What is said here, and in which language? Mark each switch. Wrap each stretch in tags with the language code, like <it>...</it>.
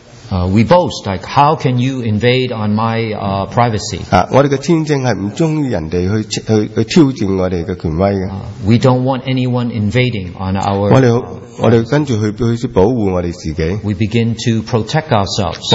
<en>We boast, like, how can you invade on my privacy?</en> <zh>我们的天性是不喜欢人家去挑战我们的权威的。</zh> <en>We don't want anyone invading on our We begin to protect ourselves.</en>